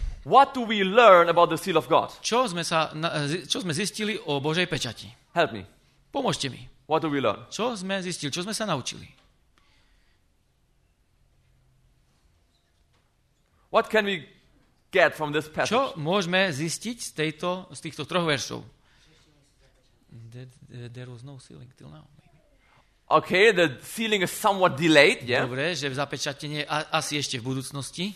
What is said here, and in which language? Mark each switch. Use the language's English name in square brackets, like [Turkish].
[English] What do we learn about the seal of God? [Slovak] Čo sme zistili o Božej pečati? [English] Help me. [Slovak] Pomôžte mi. [English] What do we learn? [Slovak] Čo sme zistili? Čo sme sa naučili? [English] What can we get from this passage? [Slovak] Čo môžeme zistiť z týchto troch veršov? [English] There was no sealing till now. Okay, the sealing is somewhat delayed, yeah. [Slovak] Dobre, že zapečatenie asi ešte v budúcnosti.